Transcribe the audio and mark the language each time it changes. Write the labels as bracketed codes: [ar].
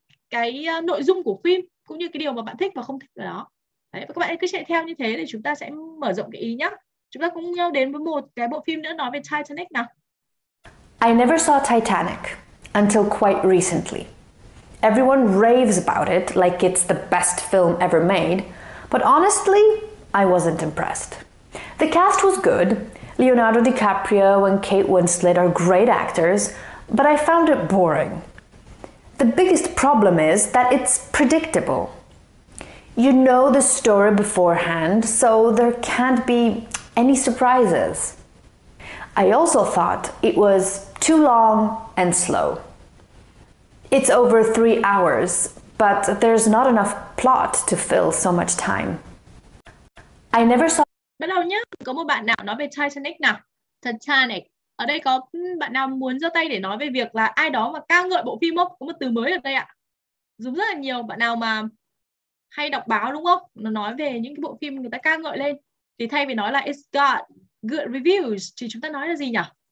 [vi] Cái nội dung của phim cũng như cái điều mà bạn thích và không thích ở đó. Đấy, và các bạn cứ chạy theo như thế thì chúng ta sẽ mở rộng cái ý nhé. Chúng ta cùng nhau đến với một cái bộ phim nữa nói về Titanic nào. [en] I never saw Titanic until quite recently. Everyone raves about it like it's the best film ever made, but honestly, I wasn't impressed. The cast was good. Leonardo DiCaprio and Kate Winslet are great actors, but I found it boring. The biggest problem is that it's predictable. You know the story beforehand, so there can't be any surprises. I also thought it was too long and slow. It's over 3 hours, but there's not enough plot to fill so much time. I never saw... [vi] Bắt đầu nhé, có một bạn nào nói về Titanic nào? Titanic. Ở đây có bạn nào muốn giơ tay để nói về việc là ai đó mà ca ngợi bộ phim không? Có một từ mới ở đây ạ. Dùng rất là nhiều, bạn nào mà hay đọc báo đúng không? Nó nói về những cái bộ phim người ta ca ngợi lên. Thì thay vì nói là [en] it's got good reviews, [vi] thì chúng ta nói là gì nhỉ?